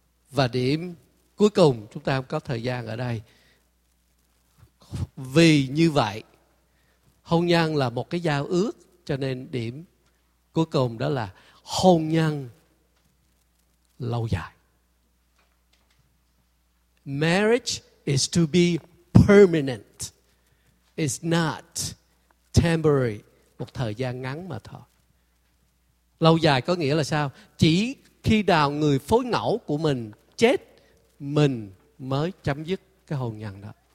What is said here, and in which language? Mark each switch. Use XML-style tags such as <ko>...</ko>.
<vi>Và điểm cuối cùng, chúng ta không có thời gian ở đây. Vì như vậy, hôn nhân là một cái giao ước, cho nên điểm cuối cùng đó là hôn nhân lâu dài.</vi> <en>Marriage is to be permanent. It's not temporary,</en> <vi>một thời gian ngắn mà thôi. Lâu dài có nghĩa là sao? Chỉ khi nào người phối ngẫu của mình chết, mình mới chấm dứt cái hôn nhân đó.</vi>